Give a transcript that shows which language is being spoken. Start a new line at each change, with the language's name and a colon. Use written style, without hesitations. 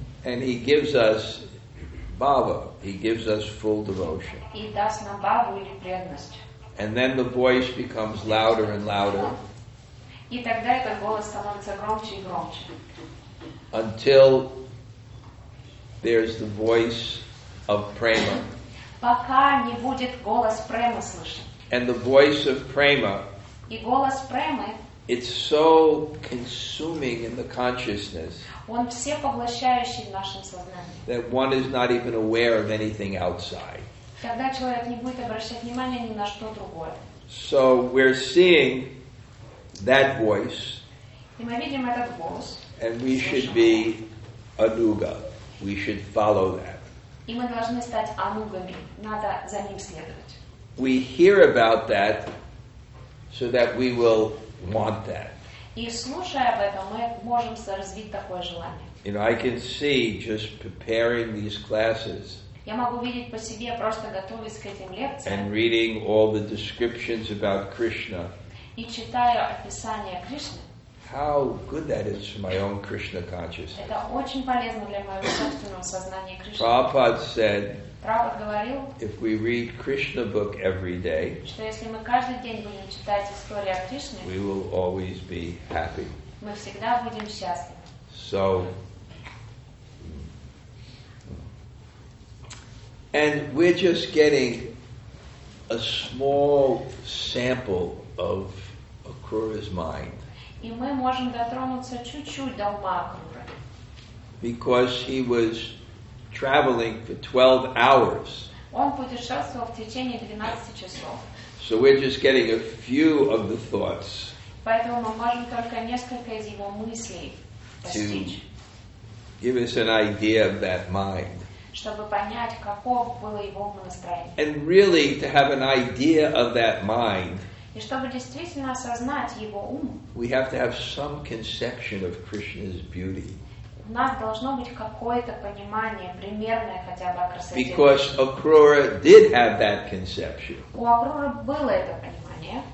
English: And he gives us Bhava, he gives us full devotion.
Russian: И даст нам Бхаву или преданность.
English: And then the voice becomes louder and louder.
Russian: И тогда этот голос становится громче и громче.
English: Until there's the voice of prema.
Russian: Пока не будет голос премы слышен.
English: And the voice of prema.
Russian: И голос премы.
English: It's so consuming in the consciousness.
Russian: Он всепоглощающий в нашем сознании.
English: That one is not even aware of anything outside.
Russian: Когда человек не будет обращать внимания ни на что другое.
English: So we're seeing that voice.
Russian: И мы видим этот голос.
English: And we should be anuga. We should follow that.
Russian: И мы должны стать анугами. Надо за ним следовать.
English: We hear about that so that we will want that.
Russian: И слушая об этом, мы можем развить такое желание.
English: You know, I can see just preparing these classes.
Russian: Я могу видеть по себе, просто готовясь к этим лекциям.
English: And reading all the descriptions about Krishna.
Russian: И читая описание Кришны.
English: How good that is for my own Krishna consciousness.
Russian: Это очень полезно для моего собственного сознания Кришны.
English: Prabhupada said.
Russian: Prabhupada говорил.
English: If we read Krishna book every day.
Russian: Что если мы каждый день будем читать историю о Кришне.
English: We will always be happy.
Russian: Мы всегда будем счастливы.
English: So. And we're just getting a small sample of Akrura's mind.
Russian: И мы можем дотронуться чуть-чуть до ума Акруры.
English: Because he was traveling for 12 hours.
Russian: Он путешествовал в течение 12 часов.
English: So we're just getting a few of the thoughts.
Russian: Поэтому мы можем только несколько из его мыслей постичь.
English: Give us an idea of that mind.
Russian: Чтобы понять, каков было его настроение.
English: And really to have an idea of that mind.
Russian: И чтобы действительно осознать его ум.
English: We have to have some conception of Krishna's beauty.
Russian: У нас должно быть какое-то понимание, примерное хотя бы о красоте.
English: Because Akrura did have that conception.
Russian: У Акруры было это понимание.